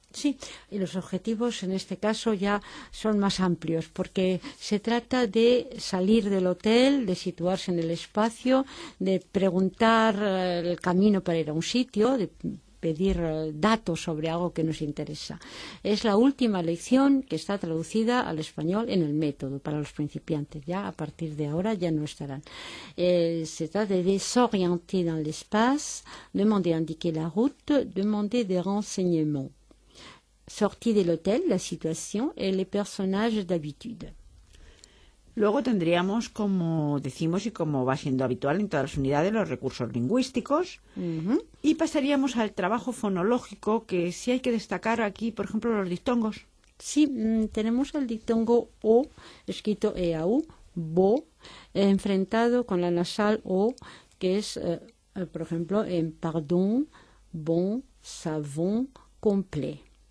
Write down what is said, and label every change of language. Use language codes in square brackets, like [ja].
[es] Sí, y los objetivos en este caso ya son más amplios, porque se trata de salir del hotel, de situarse en el espacio, de preguntar el camino para ir a un sitio, de pedir datos sobre algo que nos interesa. Es la última lección que está traducida al español en el método para los principiantes. Ya a partir de ahora ya no estarán. Se trata de [fr] s'orienter dans l'espace, demander à indiquer la route, demander des renseignements. Sortie de l'hôtel, la situation et les personnages d'habitude. [es] Luego tendríamos, como decimos y como va siendo habitual en todas las unidades, los recursos lingüísticos. Y pasaríamos al trabajo fonológico, que sí hay que destacar aquí, por ejemplo, los diptongos. Sí, tenemos el diptongo O, escrito E-A-U, bo, enfrentado con la nasal O, que es, por ejemplo, en pardon, bon, savon, complet.